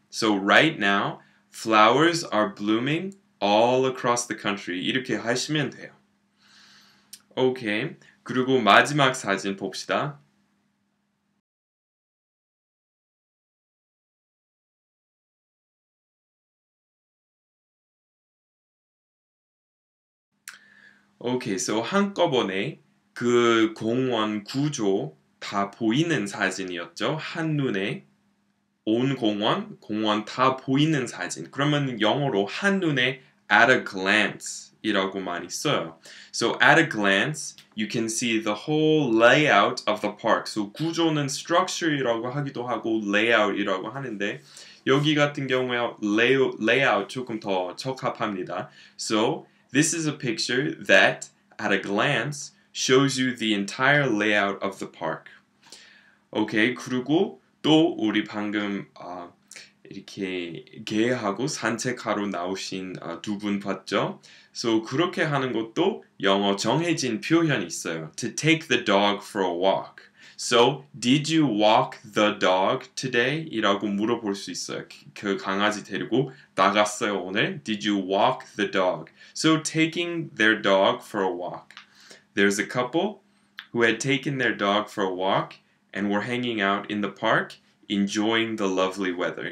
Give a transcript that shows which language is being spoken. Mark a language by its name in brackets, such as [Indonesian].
[English] So right now, flowers are blooming all across the country. [Korean] 이렇게 하시면 돼요. 오케이. 그리고 마지막 사진 봅시다. 오케이, so 한꺼번에 그 공원 구조 다 보이는 사진이었죠? 한눈에 온 공원, 공원 다 보이는 사진. 그러면 영어로 한눈에 [English] at a glance [Korean] 이라고 많이 써요. [English] So at a glance, you can see the whole layout of the park. [Korean] So 구조는 structure이라고 하기도 하고 layout이라고 하는데 여기 같은 경우에 layout 조금 더 적합합니다. [English] So this is a picture that, at a glance, shows you the entire layout of the park. [Korean] Okay, 그리고 또 우리 방금 이렇게 개하고 산책하러 나오신 두 분 봤죠? So 그렇게 하는 것도 영어 정해진 표현이 있어요. [English] To take the dog for a walk. So, did you walk the dog today? [Korean] 이라고 물어볼 수 있어요. 그 강아지 데리고 나갔어요 오늘. [English] Did you walk the dog? So, taking their dog for a walk. There's a couple who had taken their dog for a walk and were hanging out in the park, enjoying the lovely weather.